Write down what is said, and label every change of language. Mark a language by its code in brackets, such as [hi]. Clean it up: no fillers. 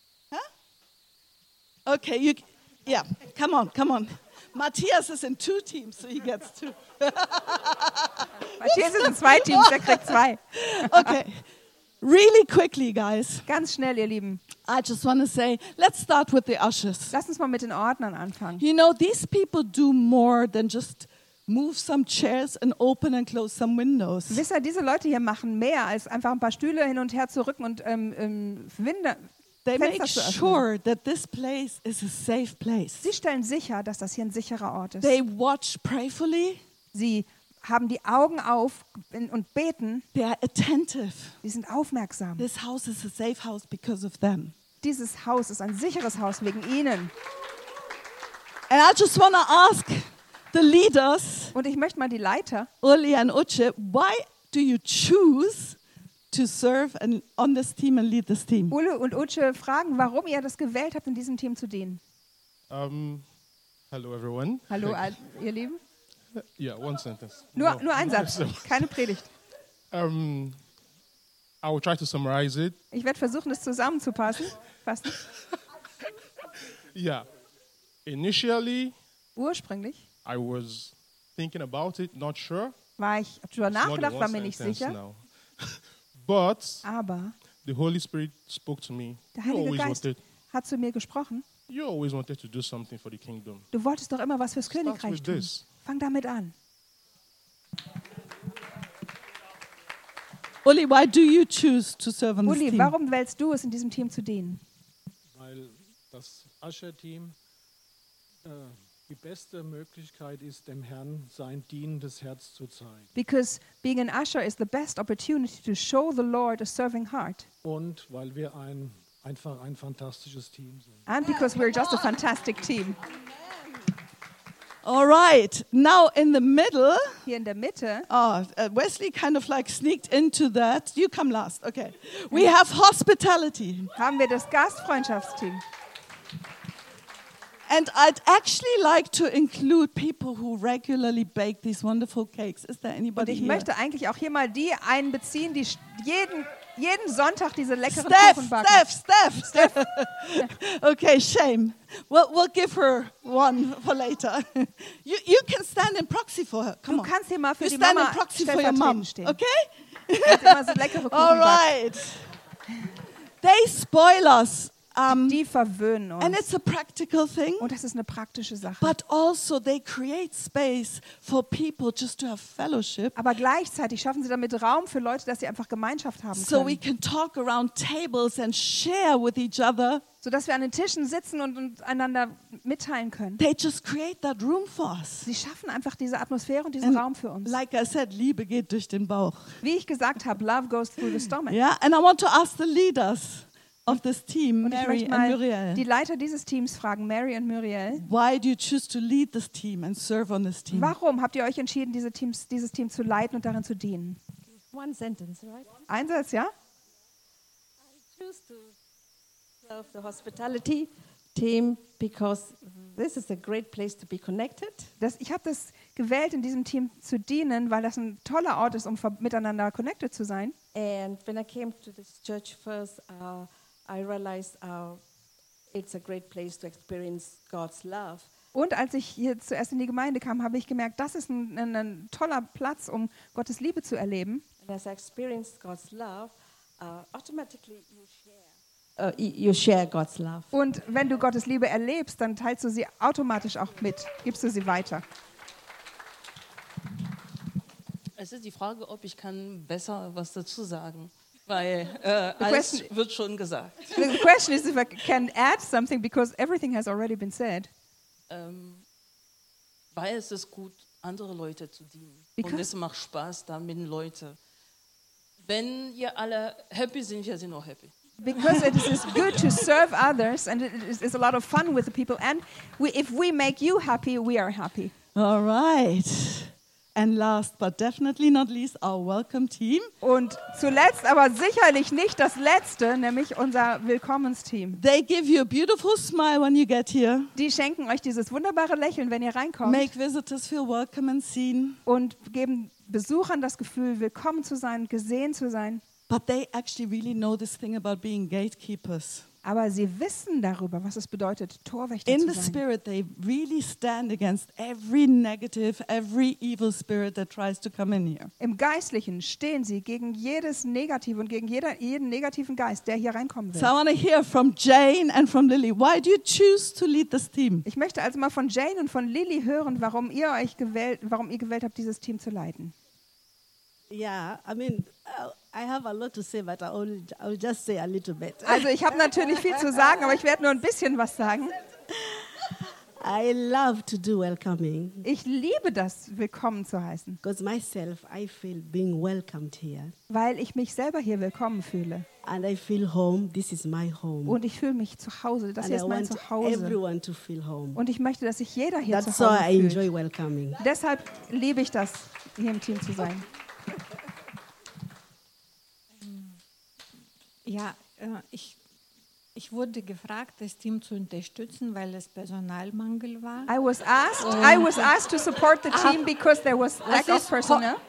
[en] Huh? Okay, you, yeah, come on, come on. Matthias is in two teams, so he gets two. [de] Matthias ist in zwei Teams, er kriegt zwei. [en] Okay. Really quickly, guys. [de] Ganz schnell, ihr Lieben. [en] I just want to say, let's start with the ushers. [de] Lass uns mal mit den Ordnern anfangen. [en] You know, these people do more than just move some chairs and open and close some windows. [de] Wisst ihr, diese Leute hier machen mehr als einfach ein paar Stühle hin und her zu rücken und Winde, [en] they [de] Fenster [en] make sure that this place is a safe place. [de] Sie stellen sicher, dass das hier ein sicherer Ort ist. [en] They watch prayerfully. [de] Sie haben die Augen auf und beten. [en] They are attentive. [de] Sie sind aufmerksam. [en] This house is a safe house because of them. [de] Dieses Haus ist ein sicheres Haus wegen ihnen. [en] And I just want to ask the leaders. [de] Und ich möchte mal die Leiter. [en] Uli and Utsche, why do you choose to serve and on this team and lead this team? [de] Uli und Utsche fragen, warum ihr das gewählt habt, in diesem Team zu dienen. [en] Hello everyone. [de] Hallo, ihr Lieben. [en] Yeah, one sentence. [de] Nur ein Satz, keine Predigt. [en] I will try to summarize it. [de] Ich werde versuchen, es zusammenzupassen. Fassen. [en] Yeah. Initially, [de] ursprünglich, [en] I was thinking about it, not sure. [de] War ich darüber nachgedacht, war mir nicht sicher. [en] But [de] aber [en] the Holy Spirit spoke to me. [de] Der Heilige Geist hat zu mir gesprochen. [en] You always wanted to do something for the kingdom. [de] Du wolltest doch immer was fürs Königreich tun. [en] This. [de] Fang damit an. [en] Uli, why do you choose to serve on [de] Uli, [en] this team? [de] Warum wählst du es, in diesem Team zu dienen? Weil das Usher-Team die beste Möglichkeit ist, dem Herrn sein dienendes Herz zu zeigen. [en] Because being an usher is the best opportunity to show the Lord a serving heart. [de] Und weil wir einfach ein fantastisches Team sind. [en] And because we're just a fantastic team. All right. Now in the middle. [de] Hier in der Mitte. [en] Oh, Wesley kind of like sneaked into that. You come last. Okay. We have hospitality. [de] Haben wir das Gastfreundschaftsteam. [en] And I'd actually like to include people who regularly bake these wonderful cakes. Is there anybody here? [de] Und ich möchte eigentlich auch hier mal die einbeziehen, die jeden Sonntag diese leckeren Kuchen backen. [en] Steph. Okay, shame. We'll give her one for later. You can stand in proxy for her. Come [de] du [en] on. [de] Kannst hier mal für [en] you [de] die [en] stand [de] Mama [en] in proxy for your mom. [de] Stehen. [en] Okay? [de] Immer so leckere Kuchen [en] all right. [de] Backen. [en] They spoil us. [de] die verwöhnen uns. [en] And it's a practical thing. [de] Und das ist eine praktische Sache. [en] But also they create space for people just to have fellowship. [de] Aber gleichzeitig schaffen sie damit Raum für Leute, dass sie einfach Gemeinschaft haben können. [en] So we can talk around tables and share with each other. [de] So dass wir an den Tischen sitzen und einander mitteilen können. [en] They just create that room for us. [de] Sie schaffen einfach diese Atmosphäre und diesen Raum für uns. [en] Like I said, [de] Liebe geht durch den Bauch. Wie ich gesagt habe, [en] love goes through the stomach. Yeah, and I want to ask the leaders of this team, Mary and Muriel. [de] Die Leiter dieses Teams fragen Mary und Muriel. [en] Why do you choose to lead this team and serve on this team? [de] Warum habt ihr euch entschieden, dieses Team zu leiten und darin zu dienen? [en] One sentence, right? [de] Ein Satz, ja? [en] I choose to serve the hospitality team because this is a great place to be connected. [de] Ich habe das gewählt, in diesem Team zu dienen, weil das ein toller Ort ist, um miteinander connected zu sein. [en] And when I came to this church first, I realized it's a great place to experience God's love. [de] Und als ich hier zuerst in die Gemeinde kam, habe ich gemerkt, das ist ein toller Platz, um Gottes Liebe zu erleben. [en] And as I experienced God's love, automatically you share. You share God's love. [de] Und wenn du Gottes Liebe erlebst, dann teilst du sie automatisch auch mit, gibst du sie weiter. Es ist die Frage, ob ich kann besser was dazu sagen. Weil alles wird schon gesagt. [en] The question is if I can add something because everything has already been said. [de] Weil es ist gut, andere Leute zu dienen. Because und es macht Spaß, da mit Leuten. Wenn ihr alle happy sind, wir sind auch happy. [en] Because it is good to serve others and it is a lot of fun with the people. And if we make you happy, we are happy. All right. And last but definitely not least, our welcome team. [de] Und zuletzt, aber sicherlich nicht das Letzte, nämlich unser Willkommensteam. [en] They give you a beautiful smile when you get here. [de] Die schenken euch dieses wunderbare Lächeln, wenn ihr reinkommt. [en] Make visitors feel welcome and seen. [de] Und geben Besuchern das Gefühl, willkommen zu sein, gesehen zu sein. [en] But they actually really know this thing about being gatekeepers. [de] Aber sie wissen darüber, was es bedeutet, Torwächter zu sein. [en] In the spirit, they really stand against every negative, every evil spirit that tries to come in here. [de] Im Geistlichen stehen sie gegen jedes Negative und gegen jeden negativen Geist, der hier reinkommen will. [en] So I want to hear from Jane and from Lily. Why do you choose to lead this team? [de] Ich möchte also mal von Jane und von Lily hören, warum ihr gewählt habt, dieses Team zu leiten. [en] Yeah, I mean, I have a lot to say, but I'll just say a little bit. [de] Also, ich habe natürlich viel zu sagen, aber ich werde nur ein bisschen was sagen. [en] I love to do welcoming. [de] Ich liebe das, willkommen zu heißen. [en] Because myself, I feel being welcomed here. [de] Weil ich mich selber hier willkommen fühle. [en] And I feel home. This is my home. [de] Und ich fühle mich zu Hause. Das hier ist mein Zuhause. [en] And I want everyone to feel home. [de] Und ich möchte, dass sich jeder hier [en] That's [de] zu Hause [en] why [de] fühlt. [en] I enjoy welcoming. [de] Deshalb liebe ich das, hier im Team zu sein. Ja, ich wurde gefragt, das Team zu unterstützen, weil es Personalmangel war. [en] I was asked to support the team because there was lack of personnel.